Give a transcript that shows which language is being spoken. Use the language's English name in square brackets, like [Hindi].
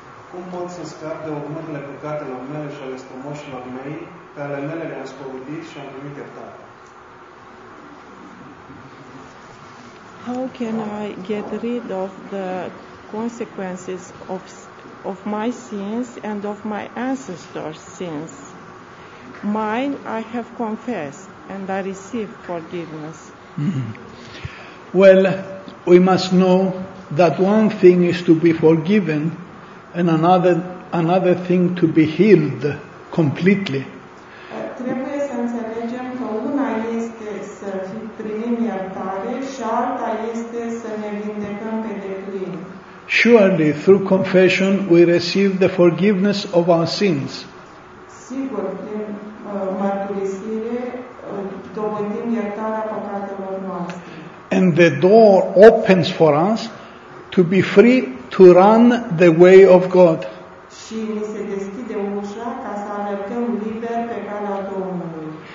[Romanian] Cum pot să scap de urmările păcatelor mele și ale strămoșilor mei, pe ale mele le-am spovedit și am primit iertare? [English] How can I get rid of the consequences of my sins and of my ancestors' sins? Mine I have confessed and I receive forgiveness. Mm-hmm. Well, we must know that one thing is to be forgiven and another thing to be healed completely. [Romanian] Trebuie să înțelegem că una este să primim iertare și alta este să ne vindecăm pe deplin. [English] Surely, through confession, we receive the forgiveness of our sins. [Romanian] Sigur, prin mărturisire, dobândim iertarea păcatelor noastre. [English] And the door opens for us to be free to run the way of God. [Romanian] Și ni se deschide ușa ca să alergăm liber pe calea Domnului.